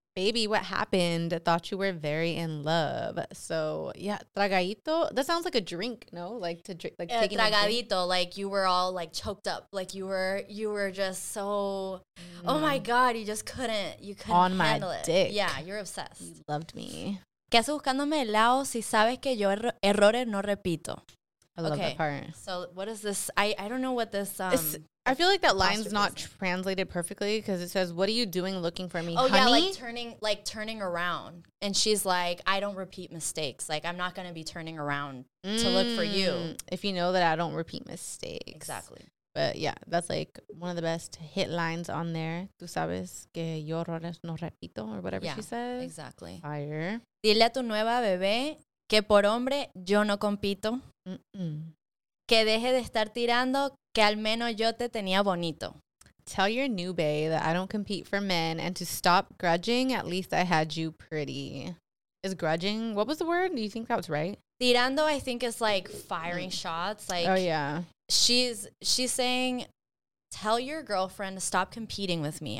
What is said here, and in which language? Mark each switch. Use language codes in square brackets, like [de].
[en] Baby, what happened? Thought you were very in love. So, yeah, tragadito. That sounds like a drink, no? Like to drink, like taking tragadito, like you were all like choked up. Like you were just so, oh my God, you couldn't handle it. On my dick. Yeah, you're obsessed. You loved me. [es] ¿Qué haces buscándome el lado si sabes que yo errores no repito? [en] I love that part. So what is this? I don't know what this. I feel like that line's not translated perfectly because it says, "What are you doing looking for me, honey?" Oh, yeah, like turning around. And she's like, "I don't repeat mistakes. Like, I'm not going to be turning around to look for you. If you know that I don't repeat mistakes." Exactly. But yeah, that's like one of the best hit lines on there. [es] Tú sabes que yo errores no repito [en] or whatever she says. Exactly. Fire. [es] Dile a tu nueva bebé que por hombre yo no compito. Mm-mm. Que deje de estar tirando que al menos yo te tenía bonito. [en] Tell your new bae that I don't compete for men and to stop grudging, at least I had you pretty. Is grudging, what was the word? Do you think that was right? Tirando, I think, is like firing shots. Like, oh, yeah. She's saying, tell your girlfriend to stop competing with me.